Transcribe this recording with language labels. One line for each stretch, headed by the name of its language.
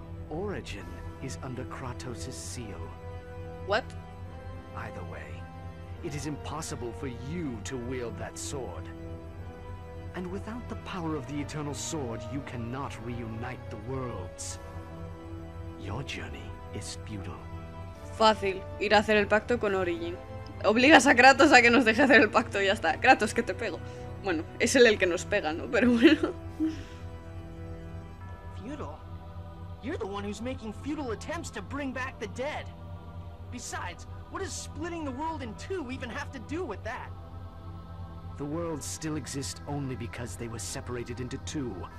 English: Origen is under Kratos' seal. What? Either way, it is impossible for you to wield that sword. And without the power of the Eternal Sword, you cannot reunite the worlds. Your journey is futile.
Spanish: Fácil, ir a hacer el pacto con Origen. Obligas a Kratos a que nos deje hacer el pacto y ya está. Kratos, que te pego. Bueno, es él el que nos pega, ¿no? Pero bueno. Feudal.
English: You're the one who's making futile attempts to bring back the dead. Besides, what does splitting the world in two even have to do with that? The world still exists only because they were separated into two.